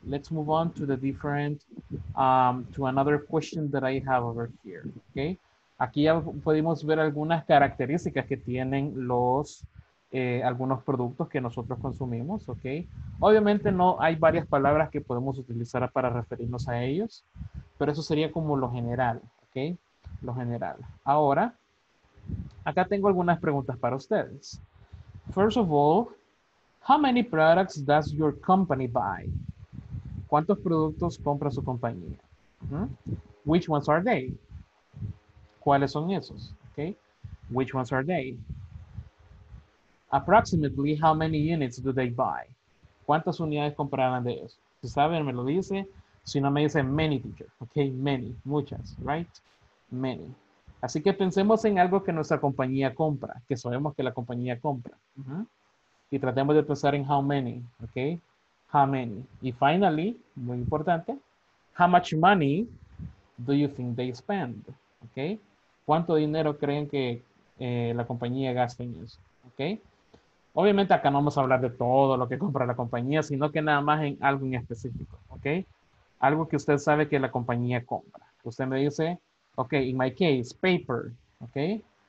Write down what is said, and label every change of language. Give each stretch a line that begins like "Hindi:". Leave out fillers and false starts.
English: Let's move on to the different, to another question that I have over here. Okay.
Spanish: Aquí ya podemos ver algunas características que tienen los... algunos productos que nosotros consumimos, ¿ok? Obviamente no hay varias palabras que podemos utilizar para referirnos a ellos, pero eso sería como lo general, ¿ok? Lo general. Ahora, acá tengo algunas preguntas para ustedes.
English: First of all, how many products does your company buy?
Spanish: ¿Cuántos productos compra su compañía?
English: Which ones are they?
Spanish: ¿Cuáles son esos? ¿Ok?
English: Which ones are they? Approximately how many units do they buy?
Spanish: ¿Cuántas unidades comprarán de eso? Si saben, me lo dice. Si no, me dice
English: many, teacher.
Spanish: Okay, many, muchas, right? Many. Así que pensemos en algo que nuestra compañía compra, que sabemos que la compañía compra. Y tratemos de pensar en
English: how many, okay? How many. Y finally,
Spanish: muy importante,
English: how much money do you think they spend? Okay?
Spanish: ¿Cuánto dinero creen que la compañía gasta en eso? Okay? Obviamente acá no vamos a hablar de todo lo que compra la compañía, sino que nada más en algo en específico, ¿ok? Algo que usted sabe que la compañía compra. Usted me dice, ok,
English: in my case, paper,
Spanish: ¿ok?